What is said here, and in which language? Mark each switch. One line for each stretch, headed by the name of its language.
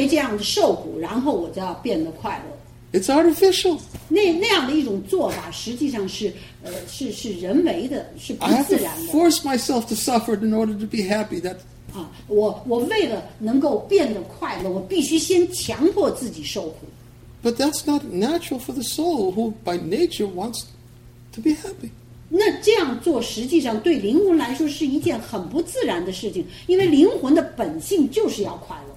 Chinese: 不是说一个人就非得要强迫自己受苦，然后因为这样的受苦，然后我就要变得快乐。
English: It's artificial.
Chinese: 那样的一种做法，实际上是人为的，是不自然的。
English: I force myself to suffer in order to be happy. That
Chinese: 我为了能够变得快乐，我必须先强迫自己受苦。
English: But that's not natural for the soul who by nature wants to be happy.
Chinese: 那这样做实际上对灵魂来说是一件很不自然的事情，因为灵魂的本性就是要快乐。